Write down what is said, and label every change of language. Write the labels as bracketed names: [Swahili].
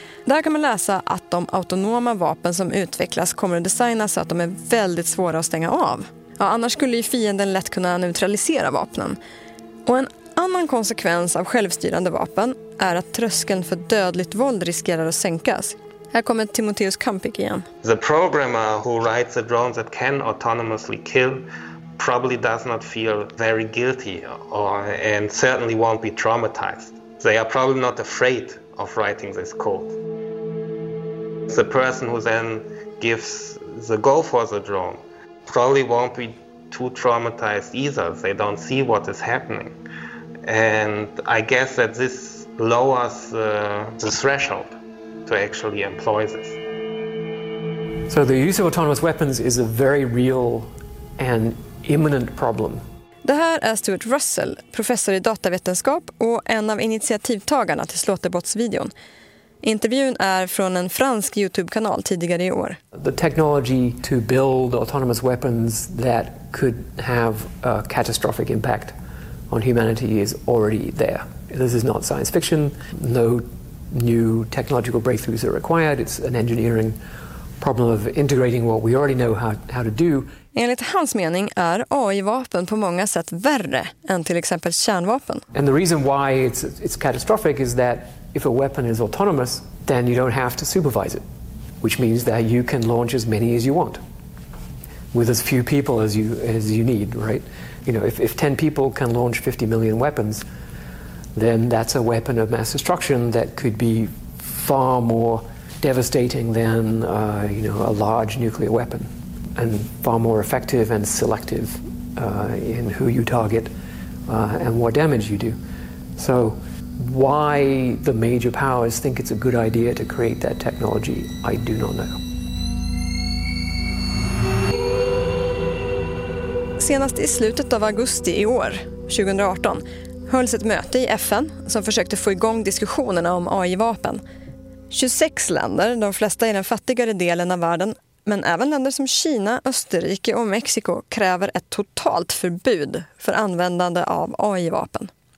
[Swedish] Där kan man läsa att de autonoma vapen som utvecklas kommer att designas så att de är väldigt svåra att stänga av. Ja, annars skulle ju fienden lätt kunna neutralisera vapnen. Och en annan konsekvens av självstyrande vapen är att tröskeln för dödligt våld riskerar att sänkas. Här kommer Timoteus Kampik igen. [English] The programmer who writes a drone that can autonomously kill probably does not feel very guilty and certainly won't be traumatized. They are probably not afraid of writing this code. The person who then gives the go for the drone probably won't be too traumatized either. They don't see what is happening. And I guess that this lowers the threshold to actually employ this. So the use of autonomous weapons is a very real and imminent problem. [Swedish] Det här är Stuart Russell, professor i datavetenskap och en av initiativtagarna till Slaughterbots-videon. Intervjun är från en fransk YouTube-kanal tidigare i år. [English] The technology to build autonomous weapons that could have a catastrophic impact on humanity is already there. This is not science fiction. No new technological breakthroughs are required. It's an engineering problem of integrating what we already know how to do. [Swedish] Enligt hans mening är AI-vapen på många sätt värre än till exempel kärnvapen. [English] And the reason why it's catastrophic is that if a weapon is autonomous, then you don't have to supervise it, which means that you can launch as many as you want with as few people as you need, right? You know, if 10 people can launch 50 million weapons, then that's a weapon of mass destruction that could be far more devastating than a large nuclear weapon, and far more effective and selective in who you target and what damage you do. So why the major powers think it's a good idea to create that technology, I do not know. [Swedish] Senast i slutet av augusti i år, 2018, hölls ett möte i FN som försökte få igång diskussionerna om AI-vapen. 26 länder, de flesta i den fattigare delen av världen, men även länder som Kina, Österrike och Mexiko kräver ett totalt förbud för användande av AI-vapen.